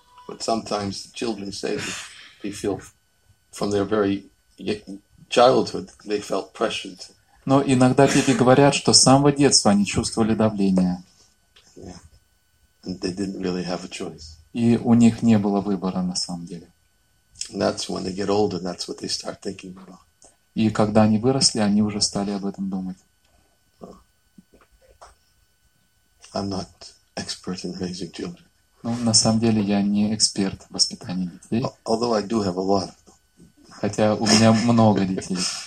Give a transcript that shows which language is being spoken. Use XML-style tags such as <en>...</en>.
<en>But sometimes children say that they feel... From their very childhood, they felt pressured.</en> <ru>Но иногда дети говорят, что с самого детства они чувствовали давление.</ru> <en>Yeah. And they didn't really have a choice.</en> <ru>И у них не было выбора на самом деле.</ru> <en>And that's when they get older, that's what they start thinking about.</en> <ru>И когда они выросли, они уже стали об этом думать.</ru> <en>I'm not expert in raising children.</en> <ru>Ну, на самом деле, я не эксперт в воспитании детей.</ru> <en>Although I do have a lot.</en> <ru>Хотя у меня много детей.</ru>